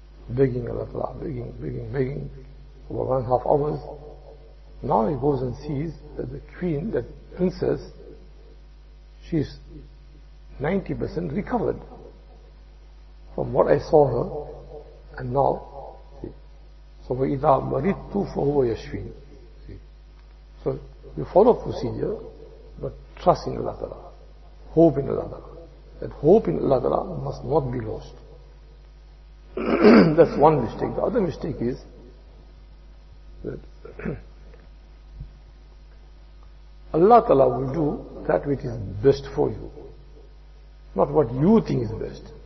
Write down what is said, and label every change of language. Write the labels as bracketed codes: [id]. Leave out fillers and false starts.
[en] Begging Allah Ta'ala, begging for 1.5 hours. Now he goes and sees that the queen, that princess, she's 90% recovered from what I saw her, and now, see. [ar] So وَإِذَا مَرِدْتُ فَهُوَ يَشْفِينَ. [en] So you follow procedure, but trust in Allah Ta'ala, hope in Allah Ta'ala. That hope in Allah Ta'ala must not be lost. That's one mistake. The other mistake is that Allah Ta'ala will do that which is best for you, not what you think is best.